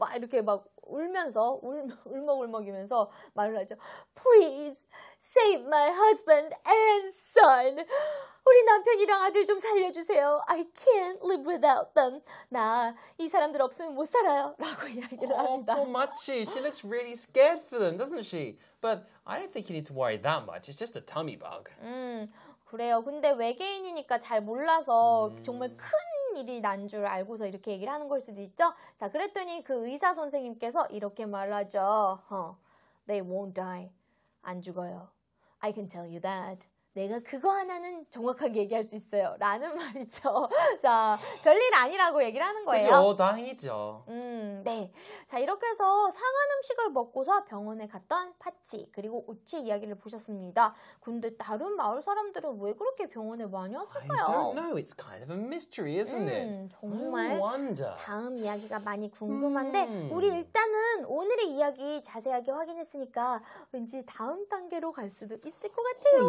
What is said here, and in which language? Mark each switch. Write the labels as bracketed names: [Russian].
[Korean] 막 이렇게 막 울면서 울먹울먹이면서 말을 하죠. [English] Please save my husband and son. [Korean] 우리 남편이랑 아들 좀 살려주세요. [English] I can't live without them. [Korean] 나 이 사람들 없으면 못 살아요. 라고 이야기를 합니다. [English] Oh, Machi. She looks really scared for them, doesn't she? But I don't think you need to worry that much. It's just a tummy bug. [Korean] 그래요. 근데 외계인이니까 잘 몰라서 정말 큰 일이 난 줄 알고서 이렇게 얘기를 하는 걸 수도 있죠. 자, 그랬더니 그 의사 선생님께서 이렇게 말하죠. [English] They won't die. [Korean] 안 죽어요. [English] I can tell you that. [Korean] 내가 그거 하나는 정확하게 얘기할 수 있어요. 라는 말이죠. 자, 별일 아니라고 얘기를 하는 거예요. 그렇죠. 다행이죠. 네. 자, 이렇게 해서 상한 음식을 먹고서 병원에 갔던 파치 그리고 오치 이야기를 보셨습니다. 근데 다른 마을 사람들은 왜 그렇게 병원에 많이 왔을까요? [English] I don't know. It's kind of a mystery, isn't it? [Korean] 정말 다음 이야기가 많이 궁금한데 우리 일단은 오늘의 이야기 자세하게 확인했으니까 왠지 다음 단계로 갈 수도 있을 것 같아요.